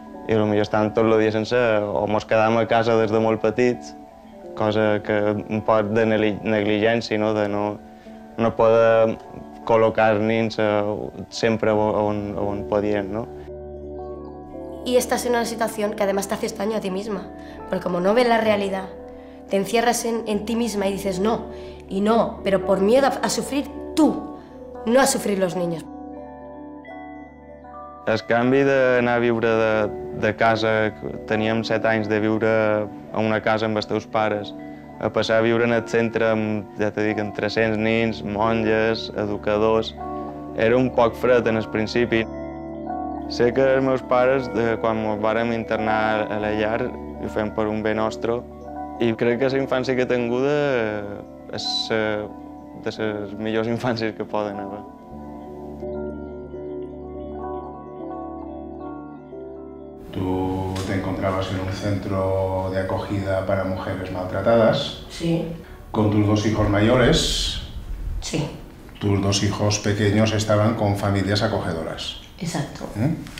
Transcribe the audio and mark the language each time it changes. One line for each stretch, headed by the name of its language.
Catalan: I potser estàvem tot el dia sense, o ens quedàvem a casa des de molt petits, cosa que un poc de negligència, no? De no poder col·locar els nens sempre on podien. No?
Spanish: Y estás en una situación que además te haces daño a ti misma, porque como no ves la realidad, te encierras en ti misma y dices no, y no, pero por miedo a sufrir tú, no a sufrir los niños.
Catalan: El canvi d'anar a viure de casa, teníem 7 anys de viure a una casa amb els teus pares, a passar a viure en el centre amb, ja t'ho dic, amb 300 nens, monges, educadors, era un poc fred en el principi. Sé que els meus pares, quan ens vàrem internar a la llar, ho fem per un bé nostre, i crec que la infància que he tingut és de les millors infàncies que poden haver.
Spanish: Tu te encontrabas en un centro de acogida para mujeres maltratadas. Sí. Con tus dos hijos mayores. Sí. Tus dos hijos pequeños estaban con familias acogedoras. Exacto. ¿Eh?